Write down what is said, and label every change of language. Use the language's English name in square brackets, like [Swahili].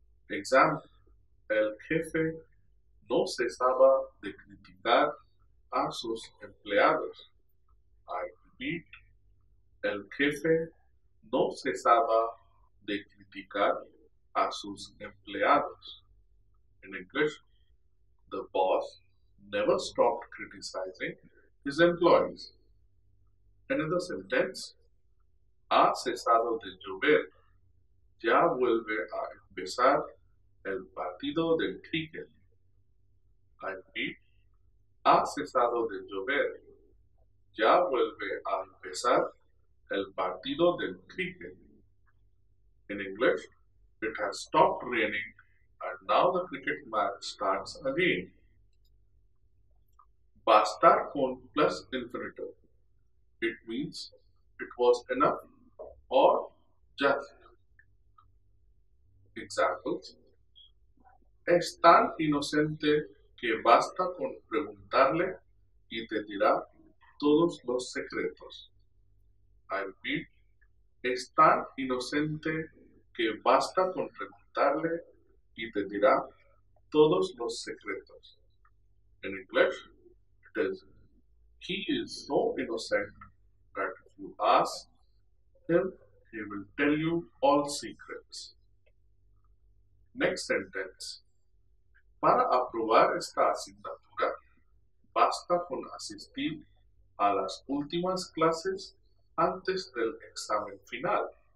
[English] Example, [Spanish] El jefe no cesaba de criticar a sus empleados. [English] I repeat, [Spanish] El jefe no cesaba de criticar a sus empleados. [English] In English, the boss never stopped criticizing his employees. Another sentence, [Spanish] Ha cesado de llover. Ya vuelve a empezar el partido del cricket. [English] I repeat, [Spanish] Ha cesado de llover. Ya vuelve a empezar el partido del cricket. [English] In English, it has stopped raining and now the cricket match starts again. Bastar con plus infinitive. It means it was enough or just. Examples. [Spanish] Es tan inocente que basta con preguntarle y te dirá todos los secretos. [English] I repeat, [Spanish] es tan inocente que basta con preguntarle y te dirá todos los secretos. [English] In English, it is, he is so innocent that if you ask him, he will tell you all secrets. Next sentence, [Spanish] para aprobar esta asignatura, basta con asistir a las últimas clases antes del examen final.